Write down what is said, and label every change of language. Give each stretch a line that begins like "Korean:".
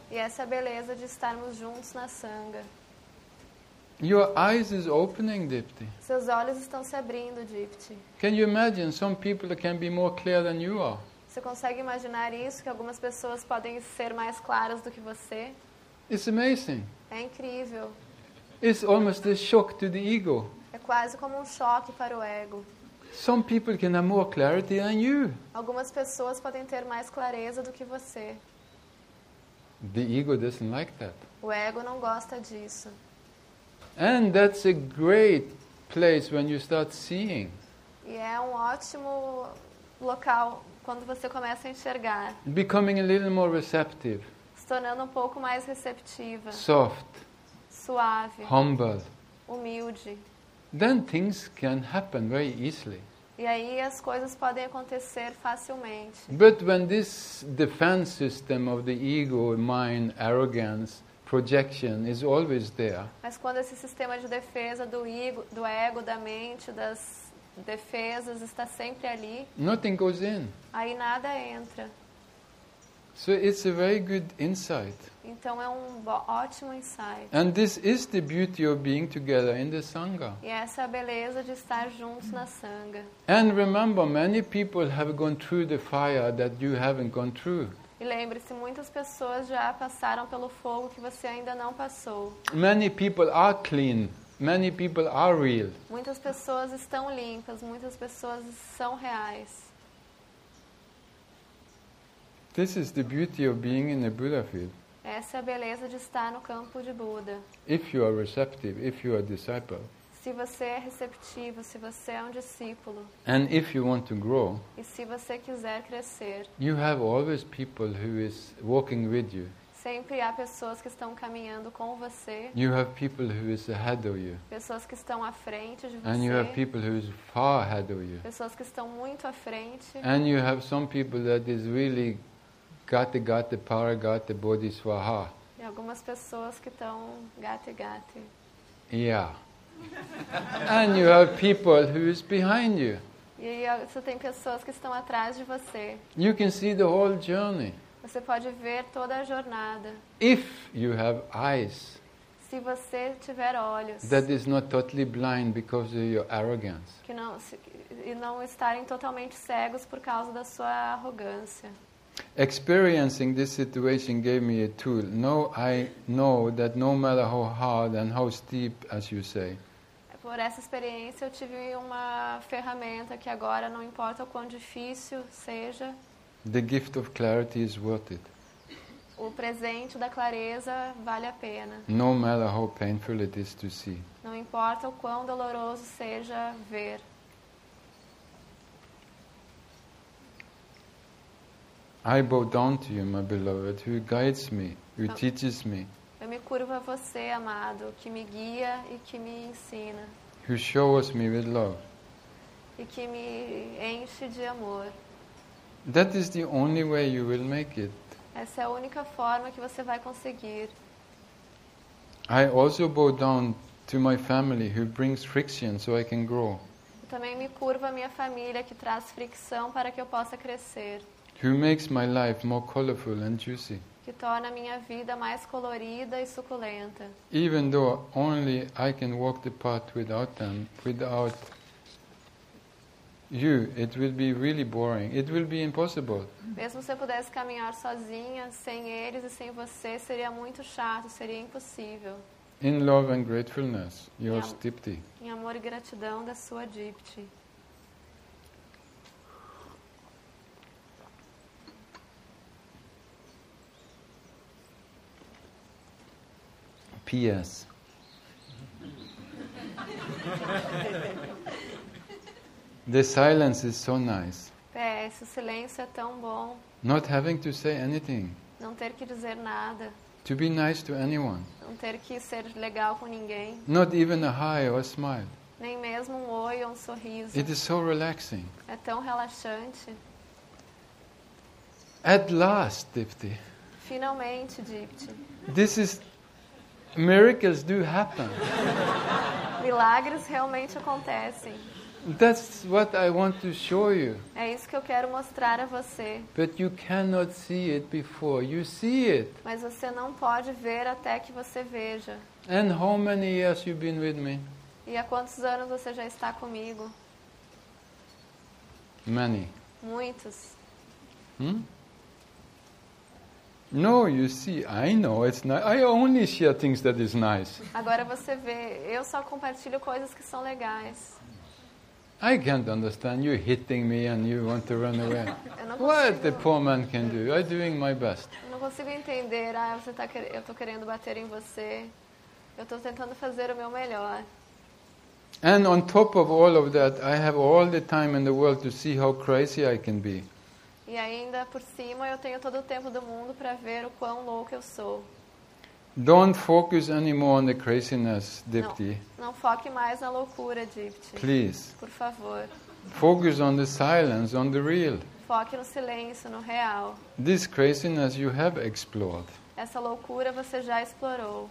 Portuguese: E essa é a beleza de estarmos juntos na sangha.
English: Your eyes is opening, Dipti.
Portuguese: Seus olhos estão se abrindo, Dipti.
English: Can you imagine some people can be more clear than you are?
Portuguese: Você consegue imaginar isso, que algumas pessoas podem ser mais claras do que você?
English: It's amazing.
Portuguese: É incrível.
English: It's almost a shock to the ego.
Portuguese: É quase como um choque para o ego.
English: Some people can have more clarity than you.
Portuguese: Algumas pessoas podem ter mais clareza do que você.
English: The ego doesn't like that.
Portuguese: O ego não gosta disso.
English: And that's a great place when you start seeing.
Portuguese: E é um ótimo local quando você começa a enxergar.
English: Becoming a little more receptive.
Portuguese: Se tornando um pouco mais receptiva.
English: Soft.
Portuguese: Suave.
English: Humble.
Portuguese: Humilde.
English: Then things can happen very easily.
Portuguese: E aí as coisas podem acontecer facilmente.
English: But when this defense system of the ego, mind, arrogance, projection is always there.
Portuguese: Mas quando esse sistema de defesa do ego, da mente, das defesas está sempre ali.
English: Nothing goes in.
Portuguese: Aí nada entra.
English: So it's a very good insight.
Portuguese: Então é um ótimo insight.
English: And this is the beauty of being together in the sangha.
Portuguese: E essa é a beleza de estar juntos na sangha.
English: And remember, many people have gone through the fire that you haven't gone through.
Portuguese: E lembre-se, muitas pessoas já passaram pelo fogo que você ainda não passou.
English: Many people are clean. Many people are real.
Portuguese: Muitas pessoas estão limpas, muitas pessoas são reais.
English: This is the beauty of being in a Buddha field.
Portuguese: Essa é a beleza de estar no campo de Buda.
English: If you are receptive, if you are disciple.
Portuguese: Se você é receptivo, se você é um discípulo.
English: And if you want to grow,
Portuguese: e se você quiser crescer.
English: You have always people who is walking with you.
Portuguese: Sempre há pessoas que estão caminhando com você.
English: You have people who is ahead of you.
Portuguese: Pessoas que estão à frente de você.
English: And you have people who is far ahead of you.
Portuguese: Pessoas que estão muito à frente.
English: And you have some people that is really
Sanskrit: gata-gata, para-gata, bodhisvaha.
Portuguese: E algumas pessoas que estão gata-gata.
English: Yeah. And you have people who is behind you.
Portuguese: E você tem pessoas que estão atrás de você.
English: You can see the whole journey.
Portuguese: Você pode ver toda a jornada.
English: If you have eyes.
Portuguese: Se você tiver olhos.
English: That is not totally blind because of your arrogance.
Portuguese: Que não e não estarem totalmente cegos por causa da sua arrogância.
English: Experiencing this situation gave me a tool. Now I know that no matter how hard and how steep, as you say.
Portuguese: Por essa experiência, eu tive uma ferramenta que agora, não importa o quão difícil seja.
English: The gift of clarity is worth it.
Portuguese: O presente da clareza vale a pena.
English: No matter how painful it is to see.
Portuguese: Não importa o quão doloroso seja ver.
English: I bow down to you, my beloved, who guides me, who teaches me.
Portuguese: Eu me curvo a você, amado, que me guia e que me ensina.
English: Who shows me with love.
Portuguese: E que me enche de amor.
English: That is the only way you will make it.
Portuguese: Essa é a única forma que você vai conseguir.
English: I also bow down to my family who brings friction so I can grow.
Portuguese: Eu também me curvo a minha família que traz fricção para que eu possa crescer.
English: Who makes my life more colorful and juicy.
Portuguese: Que torna a minha vida mais colorida e suculenta.
English: Even though only I can walk the path without them, without you, it will be really boring. It will be impossible.
Portuguese: Mesmo se eu pudesse caminhar sozinha, sem eles e sem você, seria muito chato, seria impossível.
English: In love and gratefulness, your dipti.
Portuguese: Em amor e gratidão da sua dipti.
English: P.S. The silence is so nice.
Portuguese: P.S. O silêncio é tão bom.
English: Not having to say anything.
Portuguese: Não ter que dizer nada.
English: To be nice to anyone.
Portuguese: Não ter que ser legal com ninguém.
English: Not even a hi or a smile.
Portuguese: Nem mesmo oi ou sorriso.
English: It is so relaxing.
Portuguese: É tão relaxante.
English: At last, Dipti.
Portuguese: Finalmente, Dipti.
English: This is... Miracles do happen.
Portuguese: Milagres realmente acontecem.
English: That's what I want to show you.
Portuguese: É isso que eu quero mostrar a você.
English: But you cannot see it before you see it.
Portuguese: Mas você não pode ver até que você veja.
English: And how many years you've been with me?
Portuguese: E há quantos anos você já está comigo?
English: Many.
Portuguese: Muitos. Hmm?
English: No, you see, I know it's nice. I only share things that is nice.
Portuguese: Agora você vê, eu só compartilho coisas que são legais.
English: I can't understand you hitting me and you want to run away.
Portuguese: Consigo,
English: what the poor man can do? I'm doing my best.
Portuguese: Eu não consigo entender. Ah, você tá eu tô querendo bater em você. Eu tô tentando fazer o meu melhor.
English: And on top of all of that, I have all the time in the world to see how crazy I can be.
Portuguese: E ainda por cima eu tenho todo o tempo do mundo para ver o quão louco eu sou.
English: Don't focus anymore on the craziness, Dipti.
Portuguese: Não foque mais na loucura, Dipti.
English: Please.
Portuguese: Por favor.
English: Focus on the silence, on the real.
Portuguese: Foque no silêncio, no real.
English: This craziness you have explored.
Portuguese: Essa loucura você já explorou.